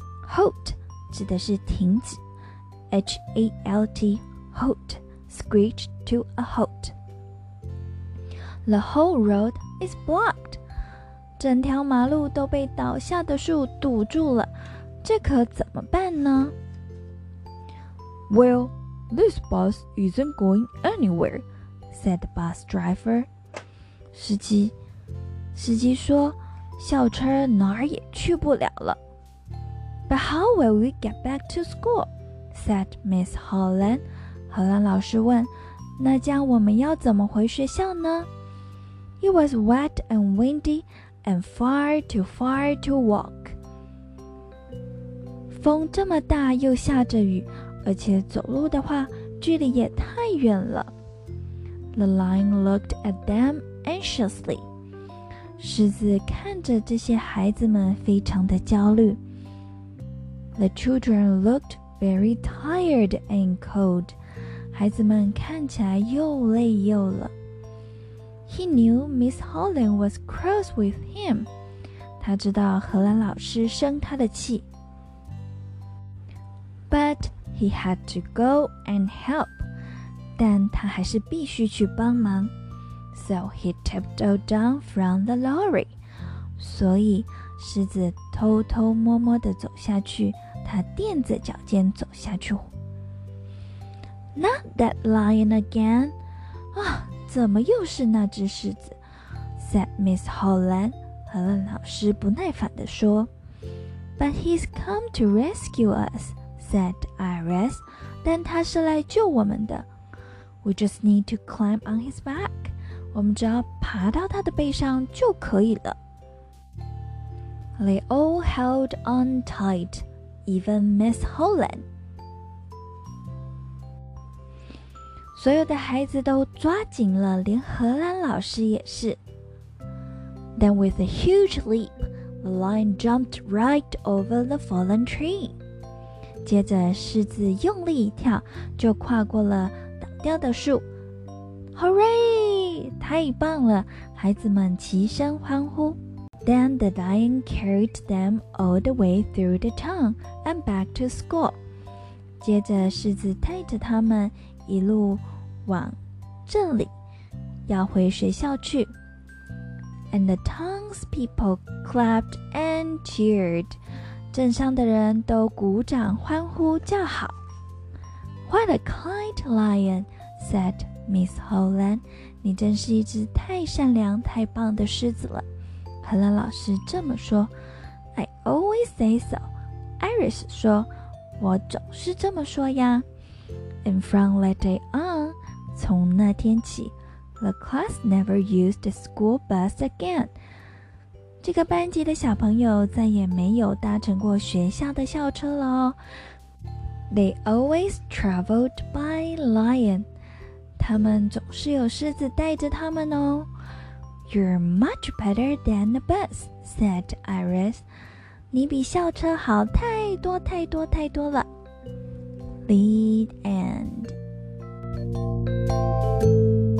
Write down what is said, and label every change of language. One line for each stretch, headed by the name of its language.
Chinese: Halt 指的是停止。
English: H-A-L-T, halt. Screech to a halt. The whole road is blocked.
Chinese: 整条马路都被倒下的树堵住了。这可怎么办呢？
English: Well, this bus isn't going anywhere, said the bus driver.
Chinese: 司机说，校车哪儿也去不了了。
English: But how will we get back to school? said Miss Helen.
Chinese: 荷兰老师问，那将我们要怎么回学校呢？
English: It was wet and windy and far too walk.
Chinese: 风这么大又下着雨，而且走路的话距离也太远了。
English: The lion looked at them anxiously.
Chinese: 狮子看着这些孩子们非常的焦虑。
English: The children looked very tired and cold.
Chinese: 孩子们看起来又累又了。
English: He knew Miss Holland was cross with him.
Chinese: 他知道荷兰老师生他的气。
English: But he had to go and help.
Chinese: 但他还是必须去帮忙。
English: So he tiptoed down from the lorry.
Chinese: 所以狮子偷偷摸摸地走下去，他垫着脚尖走下去。
English: Not that lion again.
Chinese: 啊，怎么又是那只狮子？
English: said Miss Holland.
Chinese: 荷兰老师不耐烦地说。
English: But he's come to rescue us. said Iris,
Chinese: 但他是来救我们的。
English: We just need to climb on his back.
Chinese: 我们只要爬到他的背上就可以了。
English: They all held on tight, even Miss Holland.
Chinese: 所有的孩子都抓紧了，连荷兰老师也是。
English: Then with a huge leap, the lion jumped right over the fallen tree.
Chinese: 接着狮子用力一跳，就跨过了倒掉的树。
English: Hooray!
Chinese: 太棒了，孩子们齐声欢呼。
English: Then the lion carried them all the way through the town and back to school.
Chinese: 接着狮子带着他们一路往镇里，要回学校去。
English: And the town's people clapped and cheered.
Chinese: 镇上的人都鼓掌欢呼叫好。
English: What a kind lion, said Miss Holland.
Chinese: 你真是一只太善良太棒的狮子了。荷兰老师这么说。
English: I always say so. Iris
Chinese: 说，我总是这么说呀。
English: And from that day on,
Chinese: 从那天起，
English: the class never used the school bus again.
Chinese: 这个班级的小朋友再也没有搭乘过学校的校车了哦。
English: They always traveled by lion.
Chinese: 他们总是有狮子带着他们哦。
English: You're much better than the bus, said Iris.
Chinese: 你比校车好太多太多太多了。
English: The end.